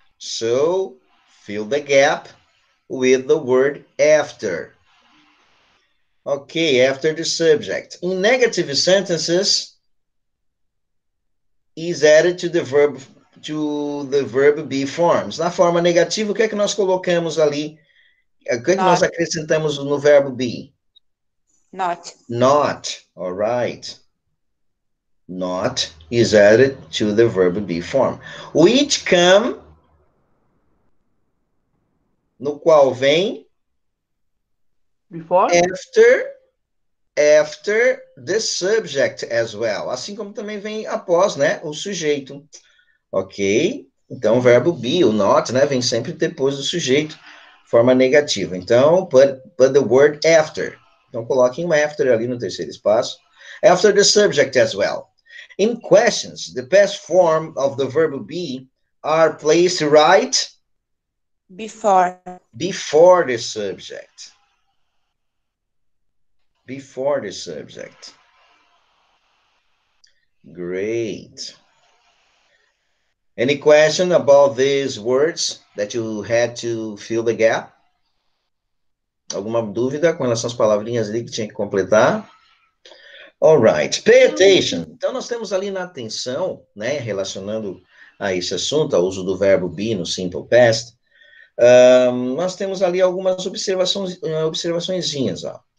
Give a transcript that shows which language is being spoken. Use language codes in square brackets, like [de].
[en] So, fill the gap with the word after. Ok, after the subject. In negative sentences, is added to the verb be forms. [pt] Na forma negativa, o que é que nós colocamos ali? O que é que nós acrescentamos no verbo be? [en] Not. Not, all right. Not is added to the verb be form. Which come, [pt] no qual vem? [en] Before? After the subject as well. [pt] Assim como também vem após, né? O sujeito. Ok? Então, o verbo be, o not, né? Vem sempre depois do sujeito. Forma negativa. [en] Então, put the word after. [pt] Então, coloquem um after ali no terceiro espaço. [en] After the subject as well. In questions, the past form of the verb be are placed right? Before. Before the subject. Before the subject. Great. Any question about these words that you had to fill the gap? [pt] Alguma dúvida com relação às palavrinhas ali que tinha que completar? [en] All right. Pay attention. [pt] Então, nós temos ali na atenção, né, relacionando a esse assunto, ao uso do verbo be no simple past, nós temos ali algumas observaçõezinhas, ó.